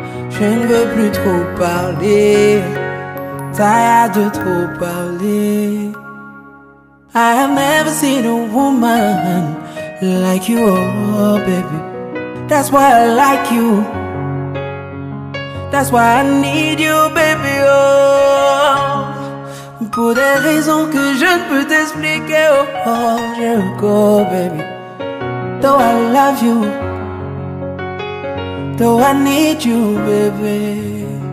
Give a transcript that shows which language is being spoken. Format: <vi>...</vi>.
<fr>Je ne veux plus trop parler,</fr> <en>tired</en> <fr>de trop parler.</fr> <en>I have never seen a woman like you, oh baby. That's why I like you. That's why I need you, baby, oh.</en> <fr>Pour des raisons que je ne peux t'expliquer, oh, oh, je</fr> <en>go, baby. Though I love you, though I need you, baby.</en>